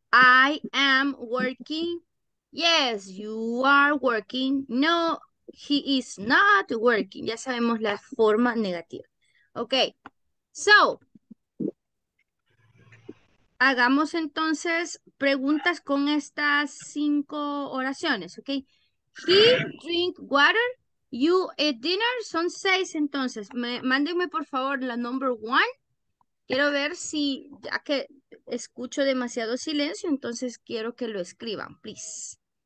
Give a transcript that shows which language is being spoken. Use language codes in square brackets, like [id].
[en] I am working. Yes, you are working. No, he is not working. [es] Ya sabemos la forma negativa. [en] Okay. [es] So, hagamos entonces preguntas con estas cinco oraciones, ¿ok? [en] He drink water, you eat dinner, [es] son seis entonces. Mándenme por favor la number one. Quiero ver si, ya que escucho demasiado silencio, entonces quiero que lo escriban, please.